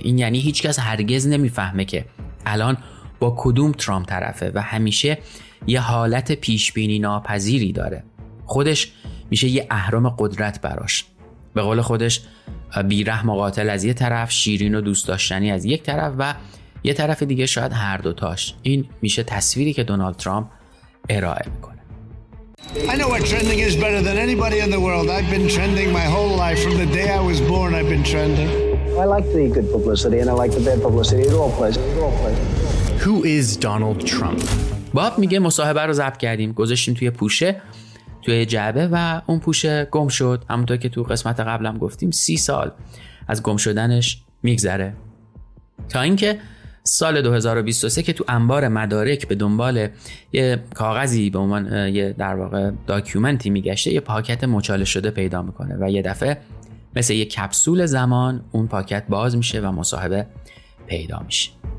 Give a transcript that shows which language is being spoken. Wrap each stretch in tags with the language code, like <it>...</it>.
<fa>این یعنی هیچکس هرگز نمیفهمه که الان با کدوم ترامپ طرفه و همیشه یه حالت پیشبینی ناپذیری داره. خودش میشه یه اهرم قدرت براش، به قول خودش بی‌رحم و قاتل از یه طرف، شیرین و دوست داشتنی از یک طرف، و یه طرف دیگه شاید هر دوتاش. این میشه تصویری که دونالد ترامپ ارائه میکنه.</fa> <en>I know what trending is better than anybody in the world. I've been trending my whole life. From the day I was born I've been trending. I like the good publicity and I like the bad publicity. It all plays. Who is Donald Trump?</en> <fa>باب میگه مصاحبه رو ضبط کردیم، گذاشتیم توی پوشه، توی جعبه، و اون پوشه گم شد. همونطور که تو قسمت قبلم گفتیم 30 سال از گم شدنش میگذره، تا اینکه سال 2023 که تو انبار مدارک به دنبال یه کاغذی به عنوان یه در واقع داکیومنتی میگشته، یه پاکت مچاله شده پیدا میکنه و یه دفعه مثل یه کپسول زمان اون پاکت باز میشه و مصاحبه پیدا میشه.</fa>